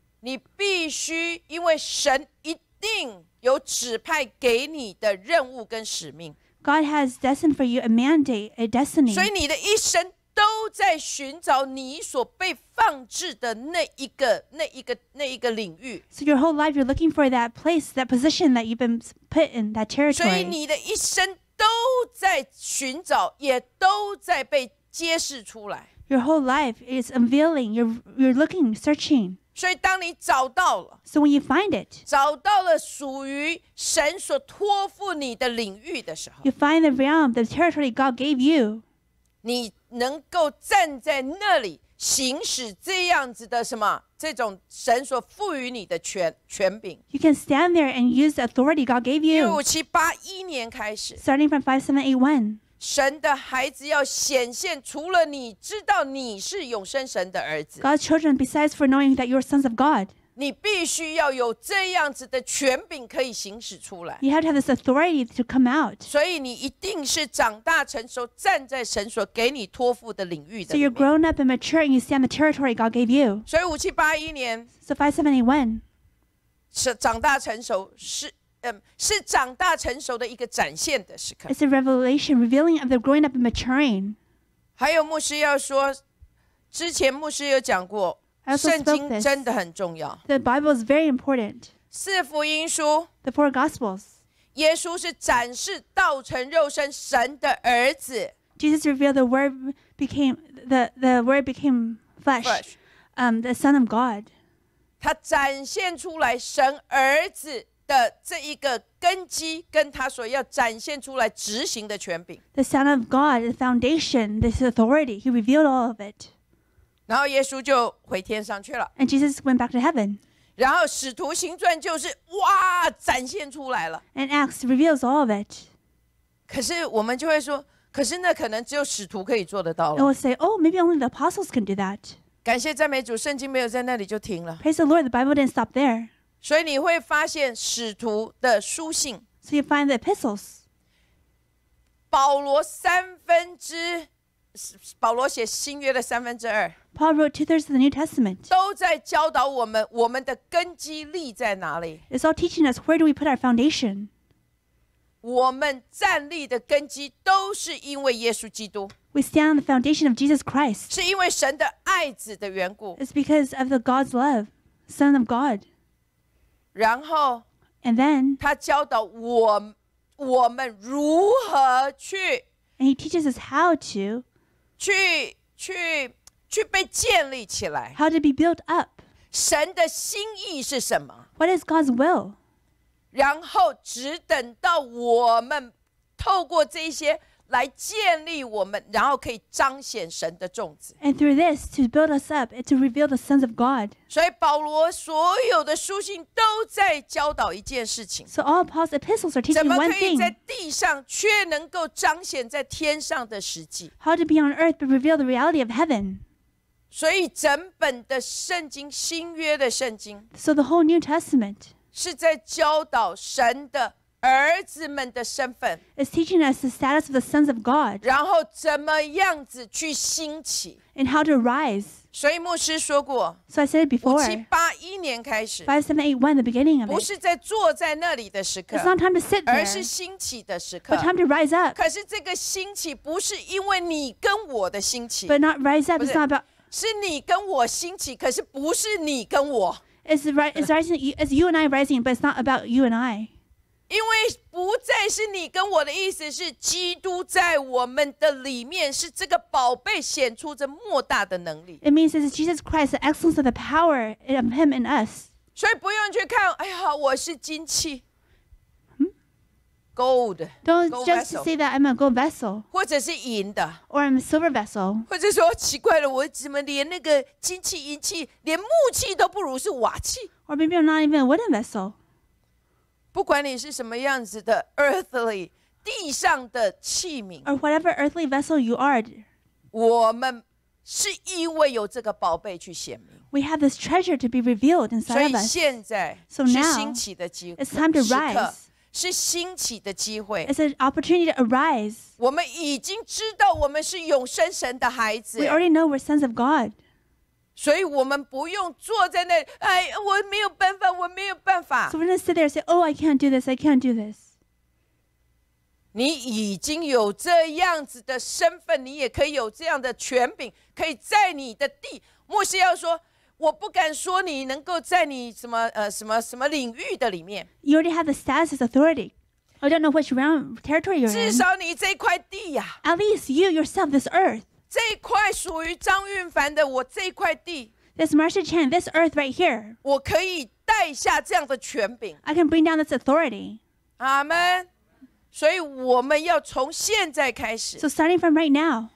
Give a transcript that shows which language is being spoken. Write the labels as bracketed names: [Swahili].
[Chinese] 你必须因为神一定有指派给你的任务跟使命。 [English] God has destined for you a mandate, a destiny. [Chinese] 所以你的一生都在寻找你所被放置的那一个领域。 [English] So your whole life you're looking for that place, that position that you've been put in, that territory. [Chinese] 所以你的一生。都在寻找，也都在被揭示出来。 [English] Your whole life is unveiling. You're looking, searching. [Chinese] 所以，当你找到了 [English] ，So when you find it， [Chinese] 找到了属于神所托付你的领域的时候 [English] ，You find the realm, the territory God gave you. [Chinese] 你能够站在那里行使这样子的什么这种神所赋予你的 权柄 [English] You can stand there and use the authority God gave you [Chinese] 1581年开始 [English] Starting from 5781 [Chinese] 神的孩子要显现除了你知道你是永生神的儿子 [English] God's children besides for knowing that you are sons of God [Chinese] 你必须要有这样子的权柄可以行使出来 [English] You have to have this authority to come out [Chinese] 所以你一定是长大成熟站在神所给你托付的领域的里面 [English] So you're grown up and mature and you stand the territory God gave you [Chinese] 所以5781年 [English] So 5781 [Chinese] 是长大成熟是是长大成熟的一个展现的时刻。 [English] It's a revelation, revealing of the growing up and maturing. [Chinese] 还有牧师要说，之前牧师有讲过，圣经真的很重要。 [English] The Bible is very important. [Chinese] 四福音书 [English] ，The four Gospels. [Chinese] 耶稣是展示道成肉身神的儿子。 [English] Jesus revealed the Word became the Word became flesh, the Son of God. [Chinese] 他展现出来神儿子。的这一个根基跟他所要展现出来执行的权柄 [English] The Son of God, the foundation, this authority, he revealed all of it. [Chinese] 然后耶稣就回天上去了 [English] And Jesus went back to heaven. [Chinese] 然后使徒行传就是哇展现出来了 [English] And Acts reveals all of it. [Chinese] 可是我们就会说可是那可能只有使徒可以做得到了 [English] And we'll say, oh, maybe only the apostles can do that. [Chinese] 感谢赞美主圣经没有在那里就停了 [English] Praise the Lord, the Bible didn't stop there. [Chinese] 所以你会发现使徒的书信 [English] So you find the epistles [Chinese] 保罗三分之保罗写新约的三分之二 [English] Paul wrote two-thirds of the New Testament [Chinese] 都在教导我们我们的根基立在哪里 [English] It's all teaching us where do we put our foundation [Chinese] 我们站立的根基都是因为耶稣基督 [English] We stand on the foundation of Jesus Christ [Chinese] 是因为神的爱子的缘故 [English] It's because of the God's love Son of God [Chinese] 然后 [English] and then, [Chinese] 他教导 我们如何去 [English] and he teaches us how to [Chinese] 去被建立起来 [English] how to be built up [Chinese] 神的心意是什么 [English] what is God's will [Chinese] 然后只等到我们透过这些来建立我们然后可以彰显神的种子 [English] And through this, to build us up and to reveal the sons of God [Chinese] 所以保罗所有的书信都在教导一件事情 [English] So all Paul's epistles are teaching one thing [Chinese] 怎么可以在地上却能够彰显在天上的实际 [English] How to be on earth but reveal the reality of heaven [Chinese] 所以整本的圣经新约的圣经 [English] So the whole New Testament [Chinese] 是在教导神的儿子们的身份 [English] It's teaching us the status of the sons of God [Chinese] 然后怎么样子去兴起 [English] And how to rise [Chinese] 所以牧师说过 [English] So I said it before [Chinese] 5781年开始 [English] 5781, the beginning of it [Chinese] 不是在坐在那里的时刻 [English] It's not time to sit there [Chinese] 而是兴起的时刻 [English] But time to rise up [Chinese] 可是这个兴起不是因为你跟我的兴起 [English] But not rise up, it's not about [Chinese] 是你跟我兴起可是不是你跟我 [English] It's rising, it's you and I rising, but it's not about you and I [Chinese] 因为不再是你跟我的意思是基督在我们的里面是这个宝贝显出这莫大的能力 [English] It means it's Jesus Christ, the excellence of the power of him in us [Chinese] 所以不用去看哎呀我是金器、Gold [English] Don't gold just vessel, say that I'm a gold vessel [Chinese] 或者是银的 [English] Or I'm a silver vessel [Chinese] 或者说奇怪了我怎么连那个金器银器连木器都不如是瓦器 [English] Or maybe I'm not even a wooden vessel [Chinese] 不管你是什么样子的 earthly 地上的器皿 [English] or whatever earthly vessel you are [Chinese] 我们是因为有这个宝贝去显明 [English] we have this treasure to be revealed inside of us [Chinese] 所以现在是兴起的机会 [English] it's time to rise [Chinese] 是兴起的机会 [English] it's an opportunity to arise [Chinese] 我们已经知道我们是永生神的孩子 [English] we already know we're sons of God [Chinese] 所以我们不用坐在那里哎，我没有办法我没有办法 [English] So we're going to sit there and say Oh, I can't do this, I can't do this [Chinese] 你已经有这样子的身份你也可以有这样的权柄可以在你的地牧师要说我不敢说你能够在你什么什么什么领域的里面 [English] You already have the status as authority I don't know which realm territory you're in [Chinese] 至少你这块地啊 [English] At least you yourself, this earth [Chinese] 这块属于张运凡的我这块地 [English] This Marsha Chan, this earth right here [Chinese] 我可以带下这样的权柄 [English] I can bring down this authority Amen [Chinese] 所以我们要从现在开始。 [English] So starting from right now.